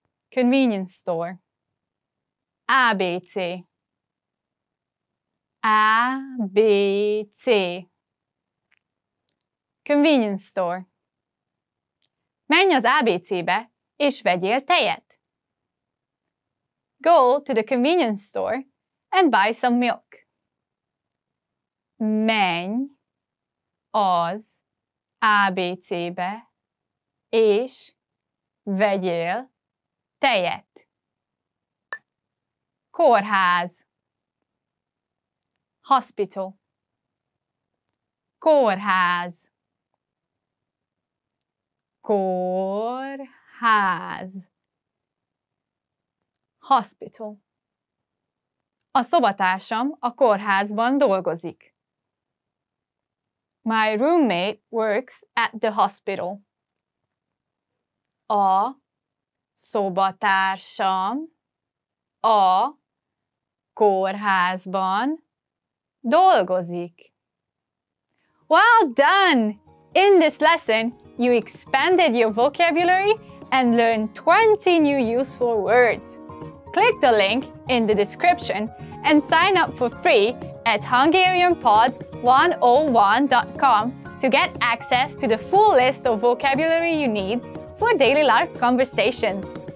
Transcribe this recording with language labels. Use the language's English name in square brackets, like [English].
[English] Convenience store. ABC. [Hungarian] ABC. [English] Convenience store. [Hungarian] Menj az ABC-be, és vegyél tejet. [English] Go to the convenience store and buy some milk. [Hungarian] Menj az ABC-be, és vegyél tejet. Kórház. Hospital. Kórház. Kórház. [English] Hospital. [Hungarian] A szobatársam a kórházban dolgozik. [English] My roommate works at the hospital. [Hungarian] A szobatársam a kórházban dolgozik. [English] Well done! In this lesson, you expanded your vocabulary and learned 20 new useful words. Click the link in the description and sign up for free at HungarianPod101.com to get access to the full list of vocabulary you need for daily life conversations.